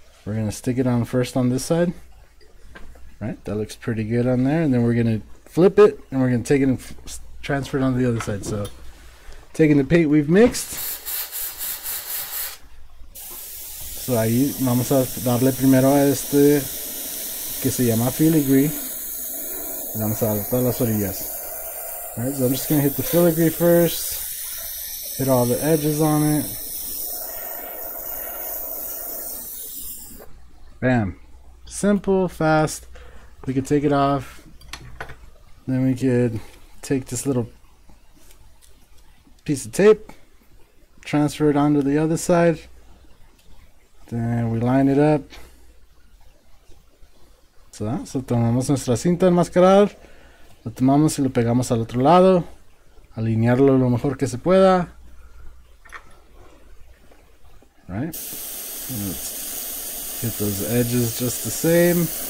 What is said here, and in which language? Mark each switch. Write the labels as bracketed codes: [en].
[en] We're gonna stick it on first on this side. Right, that looks pretty good on there. And then we're gonna flip it and we're gonna take it and transfer it on the other side. So taking the paint we've mixed. [es] So ahí vamos a darle primero a este que se llama filigree. Vamos a dar todas las orillas. [en] Alright, so I'm just gonna hit the filigree first. Hit all the edges on it. Bam. Simple, fast. We could take it off. Then we could take this little piece of tape, transfer it onto the other side. Then we line it up. [es] So tomamos nuestra cinta enmascarada, lo tomamos y lo pegamos al otro lado, alinearlo lo mejor que se pueda. [en] Right? Let's hit those edges just the same.